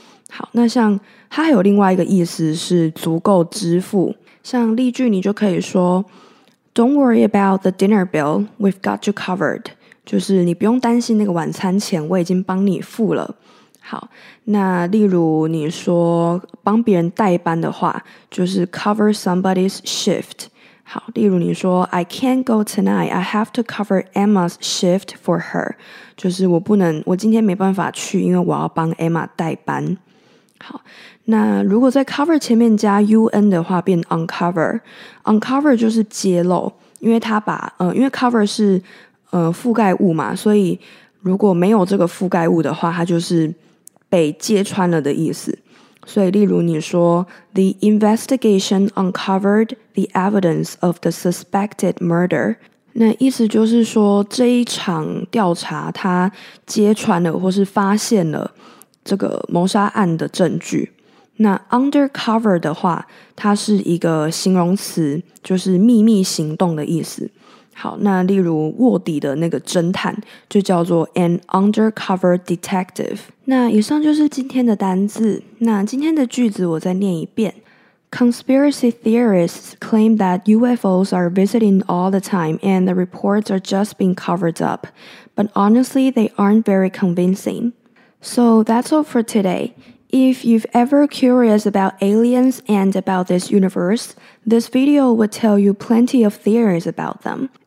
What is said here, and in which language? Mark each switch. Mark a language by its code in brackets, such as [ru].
[zh] 好，那像它还有另外一个意思是足够支付，像例句你就可以说 [en] don't worry about the dinner bill， we've got you covered， [zh] 就是你不用担心那个晚餐钱，我已经帮你付了。好，那例如你说帮别人代班的话，就是 [en] cover somebody's shift。 [zh] 好，例如你说 [en] I can't go tonight, I have to cover Emma's shift for her， [zh] 就是我今天没办法去，因为我要帮 Emma 代班。好，那如果在 cover 前面加 un 的话，变 uncover 就是揭露，因为他把因为 cover 是覆盖物嘛，所以如果没有这个覆盖物的话，它就是被揭穿了的意思。所以例如你说 [en] The investigation uncovered the evidence of the suspected murder， [zh] 那意思就是说这一场调查它揭穿了或是发现了这个谋杀案的证据。那 undercover 的话，它是一个形容词，就是秘密行动的意思。好，那例如卧底的那个侦探就叫做 [en] an undercover detective。 [zh] 那以上就是今天的单字，那今天的句子我再念一遍。 [en] Conspiracy theorists claim that UFOs are visiting all the time and the reports are just being covered up, but honestly they aren't very convincing. So that's all for today. If you've ever curious about aliens and about this universe, this video would tell you plenty of theories about them.